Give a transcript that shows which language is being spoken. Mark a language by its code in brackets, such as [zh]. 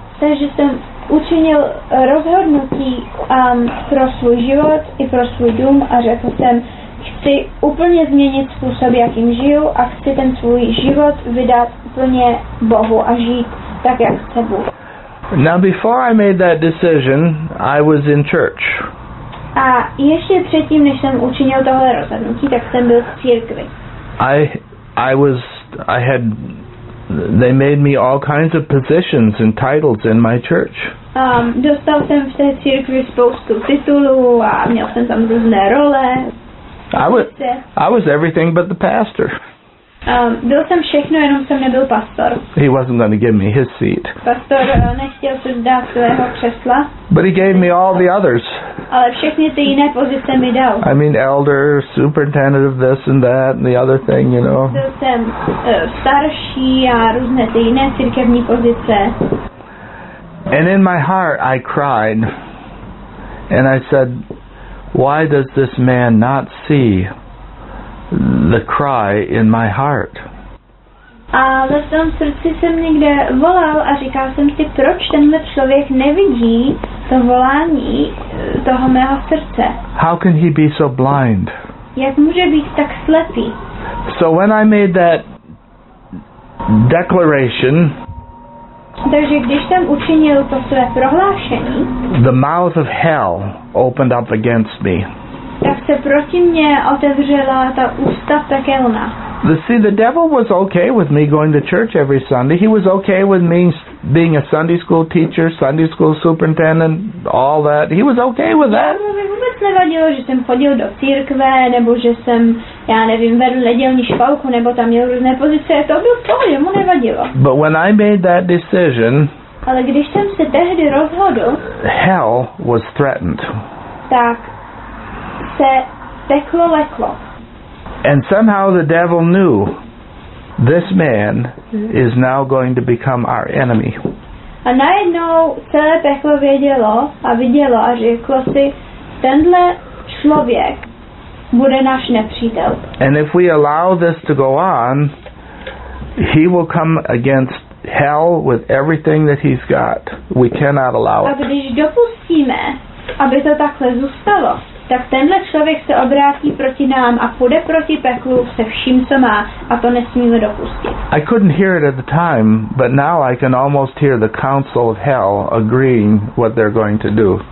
[cs] Takže jsem učinil rozhodnutí pro svůj život i pro svůj dům a řekl jsem, chci úplně změnit způsob, jakým žiju, a chci ten svůj život vydat úplně Bohu a žít tak, jak chce Bůh. [en] Now, before I made that decision, I was in church. [cs] A ještě předtím, než jsem učinil tohle rozhodnutí, tak jsem byl v církvi. [en] They made me all kinds of positions and titles in my church. [cs] Dostal jsem v té církvi spoustu titulů a měl jsem tam různé role. [en] I was everything but the pastor. [cs] Byl jsem všechno, jenom jsem nebyl pastor. [en] He wasn't going to give me his seat. [cs] Pastor nechtěl se vzdát svého křesla. [en] But he gave me all the others. [cs] Ale všechny ty jiné pozice mi dal. [en] I mean, elder, superintendent of this and that and the other thing, you know. [cs] Byl jsem starší a různé ty jiné církevní pozice. [en] And in my heart I cried. And I said, why does this man not see the cry in my heart? [cs] A ve svém srdci jsem někde volal a říkal jsem si, proč tenhle člověk nevidí to volání toho mého srdce? [en] How can he be so blind? [cs] Jak může být tak slepý? [en] So when I made that declaration, [cs] takže když jsem učinil to své prohlášení, [en] the mouth of hell opened up against me. [cs] Tak se proti mně otevřela ta ústa pekelna. [en] See, the devil was okay with me going to church every Sunday. He was okay with me being a Sunday school teacher, Sunday school superintendent, all that. He was okay with that. [cs] Já mi vůbec nevadilo, že jsem chodil do církve, nebo že jsem, já nevím, vedl nedělní špalku, nebo tam měl různé pozice. To byl to, že mu nevadilo. [en] But when I made that decision, [cs] ale když jsem se tehdy rozhodl, [en] hell was threatened. [cs] Tak se peklo leklo. [en] And somehow the devil knew this man is now going to become our enemy. [cs] A najednou celé peklo vědělo a vidělo a řeklo si, tenhle člověk bude náš nepřítel. [en] And if we allow this to go on, he will come against hell with everything that he's got. We cannot allow it. [cs] A když dopustíme, aby to takhle zůstalo, tak tenhle člověk se obrátí proti nám a půjde proti peklu se vším, co má, a to nesmíme dopustit. [en] I couldn't hear it at the time, but now I can almost hear the council of hell agreeing what they're going to do.